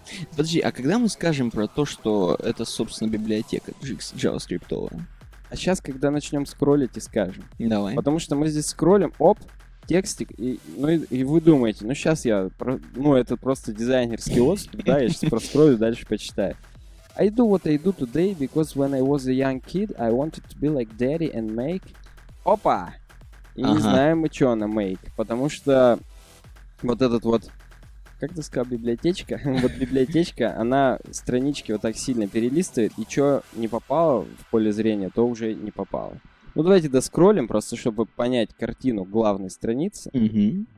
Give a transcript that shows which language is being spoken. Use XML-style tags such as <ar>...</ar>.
<ru>Подожди, а когда мы скажем про то, что это, собственно, библиотека JavaScript-овая? А сейчас, когда начнем скроллить и скажем. Давай. Потому что мы здесь скроллим, оп, текстик, и вы думаете, ну сейчас я, это просто дизайнерский отступ, да, я сейчас проскроллю, дальше почитаю.</ru> <en>I do what I do today, because when I was a young kid, I wanted to be like daddy and make...</en> <ru>Опа! И не знаем мы, что она make, потому что вот этот вот... Как ты сказал, библиотечка? Вот библиотечка, она странички вот так сильно перелистывает, и что не попало в поле зрения, то уже не попало. Ну, давайте доскроллим, просто чтобы понять картину главной страницы.</ru>